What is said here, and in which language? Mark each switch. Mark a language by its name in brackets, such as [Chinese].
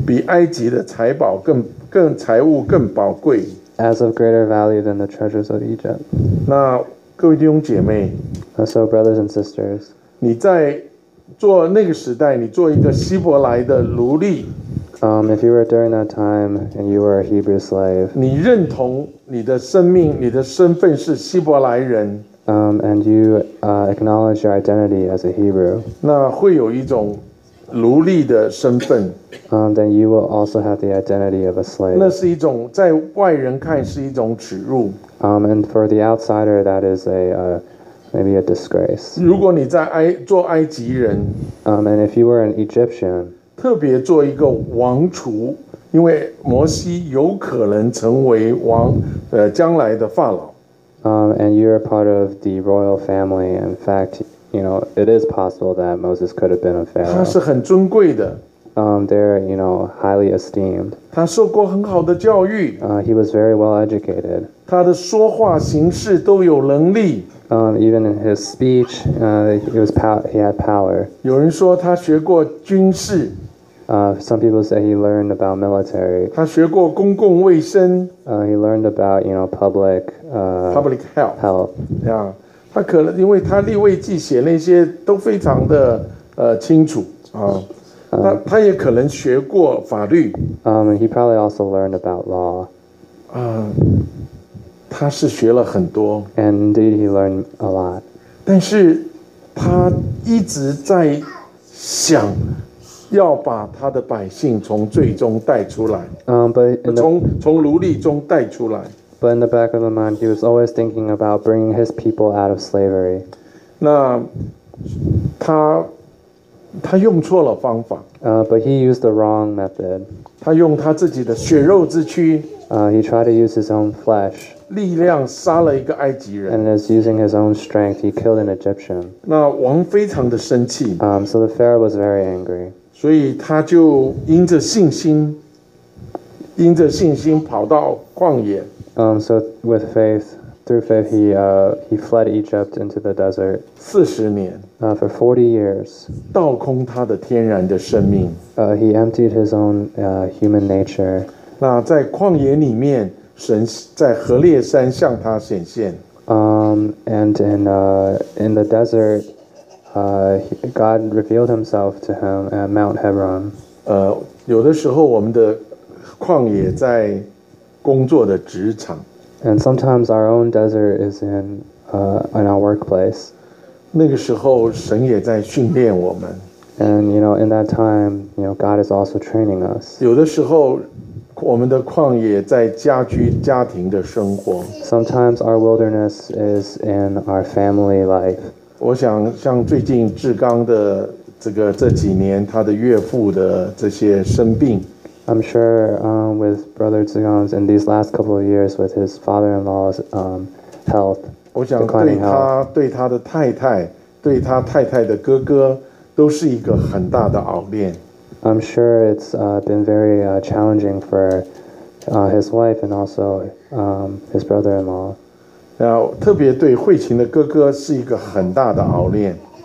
[Chinese] 比埃及的财宝更财物更宝贵。 [English] As of greater value than the treasures of Egypt. [Chinese] 那各位弟兄姐妹。 [English] So brothers and sisters, [Chinese] 你在做那个时代，你做一个希伯来的奴隶。 [English] If you were during that time and you were a Hebrew slave, [Chinese] 你认同你的生命，你的身份是希伯来人。 [English] And you acknowledge your identity as a Hebrew. [Chinese] 那会有一种奴隶的身份。 [English] Then you will also have the identity of a slave. [Chinese] 那是一种在外人看是一种耻辱。 [English] And for the outsider, that is a maybe a disgrace. [Chinese] 如果你在做埃及人。 [English] And if you were an Egyptian. [Chinese] 特别做一个王储，因为摩西有可能成为王，将来的法老。 [English] And you're a part of the royal family. In fact, you know, it is possible that Moses could have been a pharaoh. [Chinese] 他是很尊贵的。 [English] They're, you know, highly esteemed. [Chinese] 他受过很好的教育。 [English] He was very well educated. [Chinese] 他的说话行事都有能力。 [English] Even in his speech, he had power. [Chinese] 有人说他学过军事。 [English] Some people say he learned about military. [Chinese] 他学过公共卫生。 [English] He learned about, you know, public health. Health. Yeah. [Chinese] 他可能因为他立位记写那些都非常的清楚啊。他也可能学过法律。 [English] He probably also learned about law. [Chinese] 他是学了很多。 [English] And indeed, he learned a lot. [Chinese] 但是他一直在想。要把他的百姓从最终带出来。从奴隶中带出来。 [English] But in the back of the mind, he was always thinking about bringing his people out of slavery. [Chinese] 那他用错了方法。 [English] But he used the wrong method. [Chinese] 他用他自己的血肉之躯。 [English] He tried to use his own flesh. [Chinese] 力量杀了一个埃及人。 [English] And is using his own strength, he killed an Egyptian. [Chinese] 那王非常的生气。 [English] So the Pharaoh was very angry. [Chinese] 所以他就因着信心，跑到旷野。 [English] So with faith, through faith, he fled Egypt into the desert. 40 years. For 40 years. [Chinese] 倒空他的天然的生命。 [English] He emptied his own human nature. [Chinese] 那在旷野里面，神在何烈山向他显现。 [English] And in the desert. God revealed himself to him at Mount Hebron. [Chinese] 有的时候我们的旷野在工作的职场。 [English] And sometimes our own desert is in our workplace. [Chinese] 那个时候神也在训练我们。 [English] And you know, in that time, you know, God is also training us. [Chinese] 有的时候我们的旷野在家居家庭的生活。 [English] Sometimes our wilderness is in our family life. [Chinese] 我想像最近志刚的这几年他的岳父的这些生病。 [English] I'm sure with Brother Zigong's in these last couple of years with his father-in-law's health. [Chinese] 我想对他的太太，对他太太的哥哥都是一个很大的熬炼。 [English] I'm sure it's been very challenging for his wife and also his brother-in-law. [Chinese] 特别对慧琴的哥哥是一个很大的熬炼。